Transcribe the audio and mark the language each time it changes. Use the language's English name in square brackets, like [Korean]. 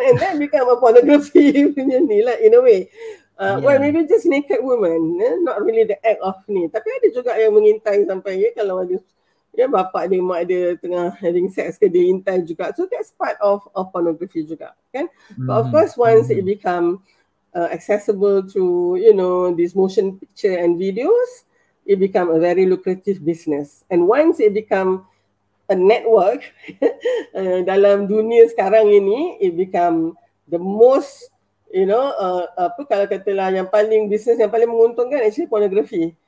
[English] And then become a pornography punya ni lah in a way. Well, maybe just naked woman, not really the act of ni. [Malay] Tapi ada juga yang mengintai sampai, ya, kalau ada, ya, bapak dia, mak dia tengah having sex ke, dia intai juga. [English] So that's part of pornography juga, kan. But of course, once it become accessible to, you know, this motion picture and videos, it become a very lucrative business. And once it become a network dalam dunia sekarang ini, it become the most, you know, apa kalau katalah yang paling business yang paling menguntungkan actually pornography.